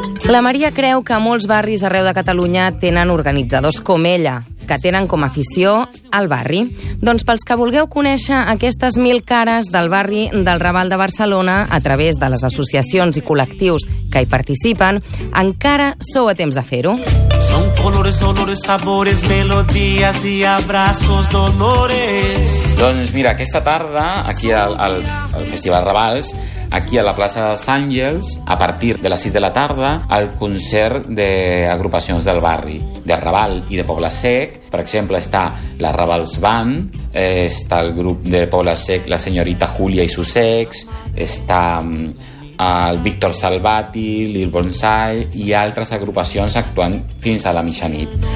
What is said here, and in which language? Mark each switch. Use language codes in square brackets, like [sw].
[ca] La Maria creu que molts barris arreu de Catalunya tenen organitzadors com ella, que tenen com a afició el barri. Doncs pels que vulgueu conèixer aquestes mil cares del barri del Raval de Barcelona a través de les associacions i col·lectius que hi participen, encara sou a temps de fer-ho. [es] Son colores, olores, sabores, melodías y abrazos, dolores. [ca] Doncs mira, aquesta tarda, aquí al Festival Ravals, aquí a la plaça dels Àngels, a partir de les 6 de la tarda, el concert d'agrupacions del barri, de Raval i de Poble Sec. Per exemple, està la Ravals Band, està el grup de Poble Sec, la senyorita Júlia i sus ex, està el Víctor Salvati, Lil Bonsai i altres agrupacions actuant fins a la mitjanit.